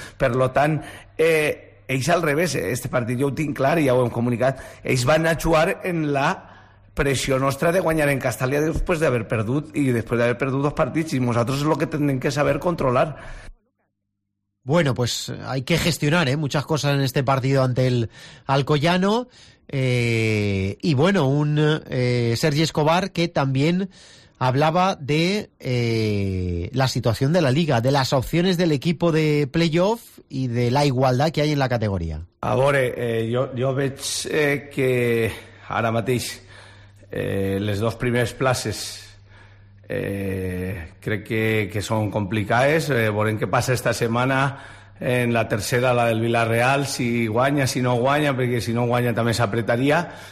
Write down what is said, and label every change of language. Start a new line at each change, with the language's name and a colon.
Catalan: Per tant, ells al revés, este partit jo ho tinc clar i ja ho hem comunicat, ells van a jugar en la pressió nostra de guanyar en Castalia després d'haver perdut, i després d'haver perdut 2 partits, i nosaltres és el que hem que saber controlar.
Spanish: Bueno, pues hay que gestionar, muchas cosas en este partido ante el Alcoyano, y bueno, un Sergi Escobar que también hablaba de la situación de la Liga, de las opciones del equipo de playoff y de la igualdad que hay en la categoría.
Catalan: A veure, jo veig que ara mateix les 2 primeres places crec que són complicades. Veurem què passa esta setmana en la tercera, la del Villarreal, si guanya, si no guanya, perquè si no guanya també s'apretaria.